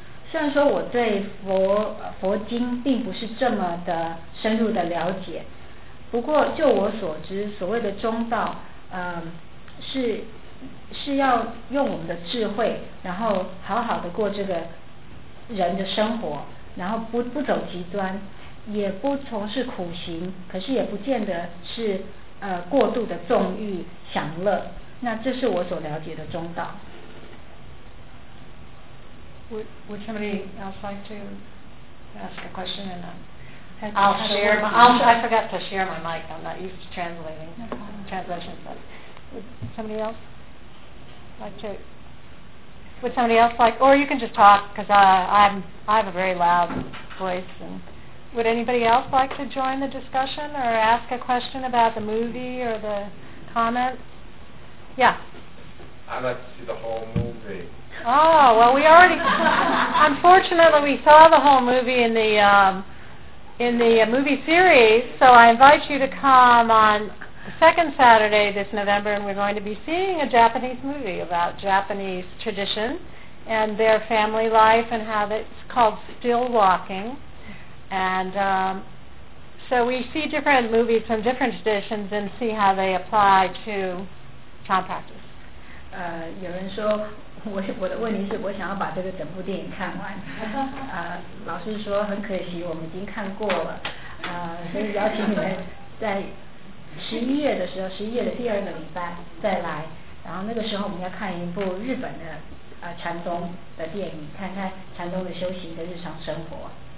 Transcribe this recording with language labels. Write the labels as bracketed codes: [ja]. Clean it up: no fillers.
[zh] 虽然说我对佛经并不是这么的深入的了解，不过就我所知，所谓的中道是要用我们的智慧，然后好好的过这个人的生活，然后不走极端，也不从事苦行，可是也不见得是过度的纵欲享乐。那这是我所了解的中道。 [en] Would somebody else like to ask a question? I forgot to share my mic. I'm not used to translating. Translation. But somebody else? Would somebody else like, or you can just talk, because I have a very loud voice, and Would anybody else like to join the discussion or ask a question about the movie or the comments? Yeah. I'd like to see the whole movie. Oh, well, we already, unfortunately, we saw the whole movie in the movie series, so I invite you to come on the second Saturday this November, and we're going to be seeing a Japanese movie about Japanese tradition and their family life and how it's called Still Walking. And so we see different movies from different traditions and see how they apply to chant practice. [zh] 有人说我的问题是我想要把这个整部电影看完。老师说很可惜我们已经看过了。所以邀请你们在十一月的时候，十一月的第二个礼拜再来，然后那个时候我们要看一部日本的禅宗的电影，看看禅宗的修行的日常生活。